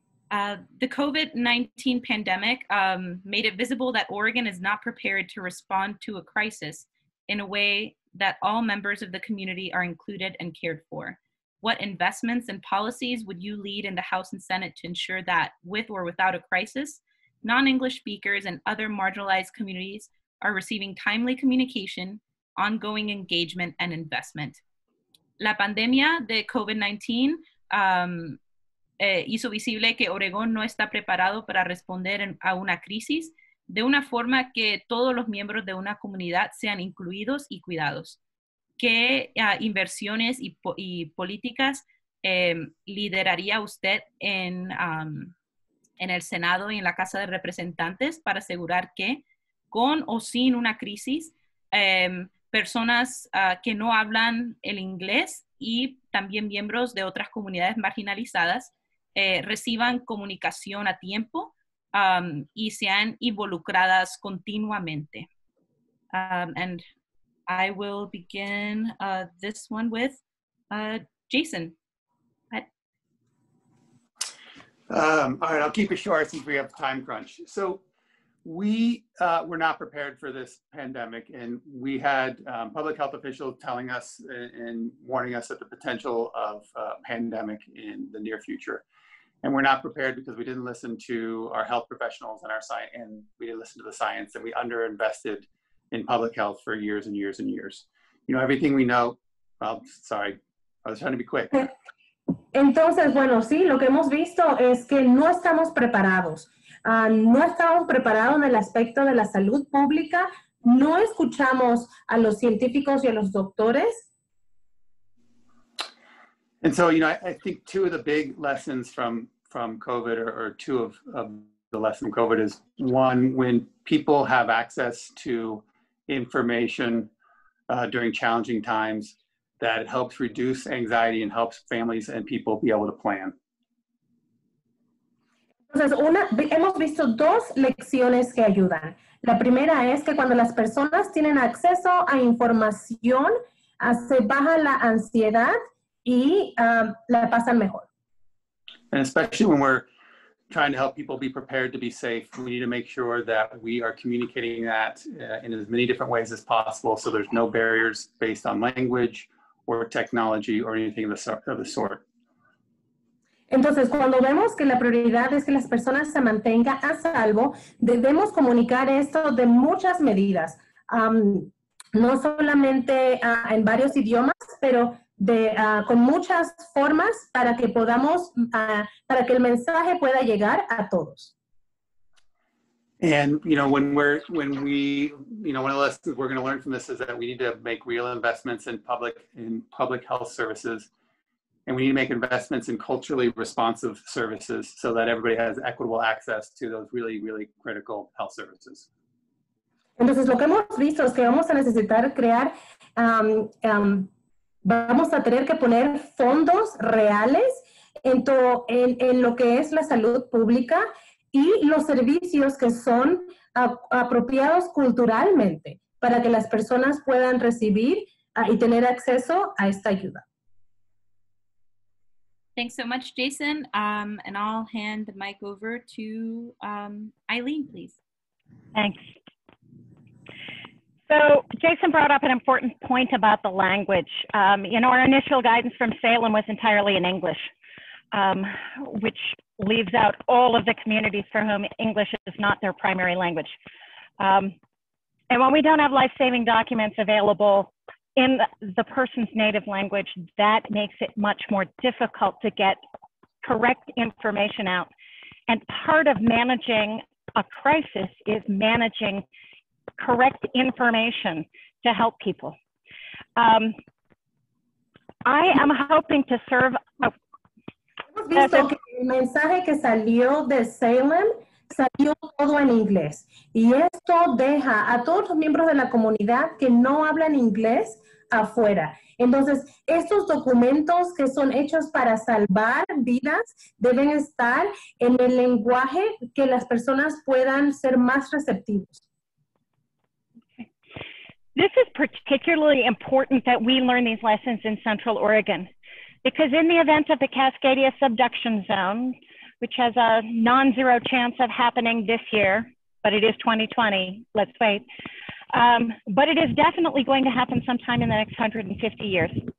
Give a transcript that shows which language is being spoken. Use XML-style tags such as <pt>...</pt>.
<en>The COVID-19 pandemic made it visible that Oregon is not prepared to respond to a crisis in a way that all members of the community are included and cared for. What investments and policies would you lead in the House and Senate to ensure that, with or without a crisis, non-English speakers and other marginalized communities are receiving timely communication, ongoing engagement, and investment?</en> <es>La pandemia de COVID-19 hizo visible que Oregón no está preparado para responder a una crisis de una forma que todos los miembros de una comunidad sean incluidos y cuidados. ¿Qué inversiones y políticas lideraría usted en el Senado y en la Casa de Representantes para asegurar que, con o sin una crisis, personas que no hablan el inglés y también miembros de otras comunidades marginalizadas reciban comunicación a tiempo y sean involucradas continuamente?</es> <en>And I will begin this one with Jason. All right, I'll keep it short since we have time crunch. So we were not prepared for this pandemic, and we had public health officials telling us and warning us of the potential of a pandemic in the near future. And we're not prepared because we didn't listen to our health professionals and our science, and we didn't listen to the science, and we underinvested in public health for years and years and years. You know, everything we know, well, sorry, I was trying to be quick.</en> <es>Entonces, bueno, sí, lo que hemos visto es que no estamos preparados. No estamos preparados en el aspecto de la salud pública. No escuchamos a los científicos y a los doctores.</es> <en>And so, you know, I think two of the big lessons from COVID, or two of the lessons from COVID, is one, when people have access to information during challenging times, that it helps reduce anxiety and helps families and people be able to plan.</en> <es>Entonces, hemos visto dos lecciones que ayudan. La primera es que cuando las personas tienen acceso a información, se baja la ansiedad y la pasan mejor.</es> <en>And especially when we're trying to help people be prepared to be safe, we need to make sure that we are communicating that in as many different ways as possible, so there's no barriers based on language or technology or anything of the sort.</en> <es>Entonces, cuando vemos que la prioridad es que las personas se mantengan a salvo, debemos comunicar esto de muchas medidas, no solamente en varios idiomas, pero de con muchas formas para que podamos para que el mensaje pueda llegar a todos.</es> <en>And you know, one of the lessons we're going to learn from this is that we need to make real investments in public health services, and we need to make investments in culturally responsive services so that everybody has equitable access to those really, really critical health services.</en> <es>Entonces, lo que hemos visto es que vamos a necesitar crear vamos a tener que poner fondos reales en lo que es la salud pública y los servicios que son apropiados culturalmente para que las personas puedan recibir y tener acceso a esta ayuda.</es> <en>Thanks so much, Jason. And I'll hand the mic over to Eileen, please. Thanks. So Jason brought up an important point about the language. You know, our initial guidance from Salem was entirely in English, which leaves out all of the communities for whom English is not their primary language. And when we don't have life-saving documents available in the person's native language, that makes it much more difficult to get correct information out. And part of managing a crisis is managing correct information to help people. I am hoping to serve.</en> <es>Hemos visto que el mensaje que salió de Salem salió todo en inglés. Y esto deja a todos los miembros de la comunidad que no hablan inglés afuera. Entonces, estos documentos que son hechos para salvar vidas deben estar en el lenguaje que las personas puedan ser más receptivos.</es> <en>This is particularly important that we learn these lessons in Central Oregon, because in the event of the Cascadia subduction zone, which has a non-zero chance of happening this year, but it is 2020, let's wait, but it is definitely going to happen sometime in the next 150 years.</en>